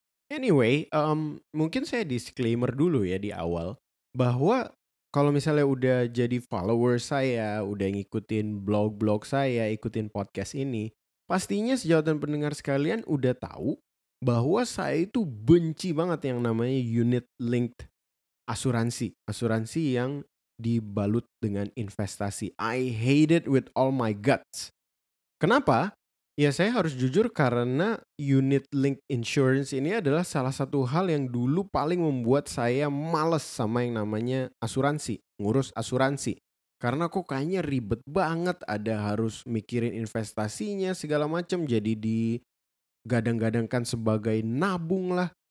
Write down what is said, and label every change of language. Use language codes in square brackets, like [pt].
[id] Anyway, mungkin saya disclaimer dulu ya di awal bahwa kalau misalnya udah jadi follower saya, udah ngikutin blog-blog saya, ikutin podcast ini, pastinya sejawat dan pendengar sekalian udah tahu bahwa saya itu benci banget yang namanya unit linked asuransi, asuransi yang dibalut dengan investasi. [en] I hate it with all my guts. [id] Kenapa? Ya saya harus jujur karena unit linked insurance ini adalah salah satu hal yang dulu paling membuat saya malas sama yang namanya asuransi, ngurus asuransi. Karena kok kayaknya ribet banget, ada harus mikirin investasinya segala macam, jadi digadang-gadangkan sebagai nabung lah.